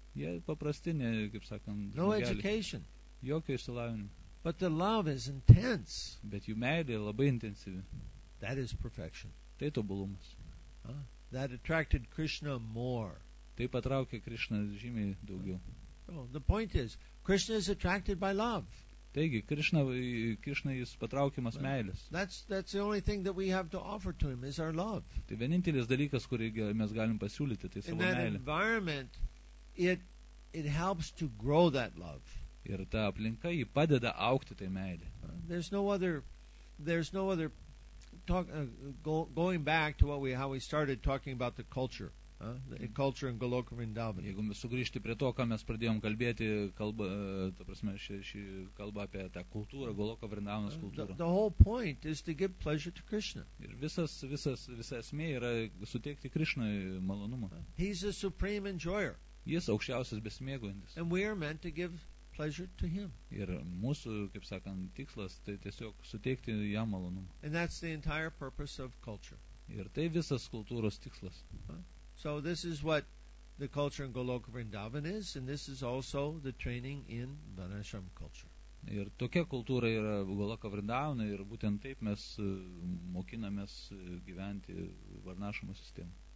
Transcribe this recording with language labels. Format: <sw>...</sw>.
<lt>Jie paprasti, kaip sakant,</lt> <en>no education.</en> <lt>Jokio išsilavinimo.</lt> <en>But the love is intense.</en> <lt>Bet jų meilė labai intensyvi.</lt> <en>That is perfection.</en> <lt>Tai tobulumas.</lt> <en>That attracted Krishna more.</en> <lt>Tai patraukė Krishna žymiai daugiau.</lt> <en>Oh, the point is, Krishna is attracted by love.</en> <lt>Taigi, Krishna jis patraukiamas meilės.</lt> <en>That's the only thing that we have to offer to him is our love.</en> <lt>Tai vienintelis dalykas, kurį mes galim pasiūlyti, tai savo meilė.</lt> <en>In that environment, it helps to grow that love.</en> <lt>Ir ta aplinka, jį padeda aukti tai meilė.</lt> <en>There's no other going back to how we started talking about the culture. The culture in Goloka Vrindavan.</en> <lt>Jeigu mes sugrįžti prie to, ką mes pradėjom kalbėti, kalba apie tą kultūrą, Goloka Vrindavanos kultūrą.</lt> <en>The whole point is to give pleasure to Krishna.</en> <lt>Ir visa esmė yra suteikti Krishnai malonumą.</lt> <en>He's a supreme enjoyer.</en> <lt>Jis aukščiausias besimėgaujantis.</lt> <en>And we are meant to give pleasure to him.</en> <lt>Ir mūsų, kaip sakant, tikslas tai tiesiog suteikti jam malonumą.</lt> <en>And that's the entire purpose of culture.</en> <lt>Ir tai visas kultūros tikslas.</lt> <en>So this is what the culture in Goloka Vrindavan is, and this is also the training in Vanashram culture.</en> <lt>Ir tokia kultūra yra Goloka Vrindavan, ir būtent taip mes mokinamės gyventi Varnašramo sistemą.</lt>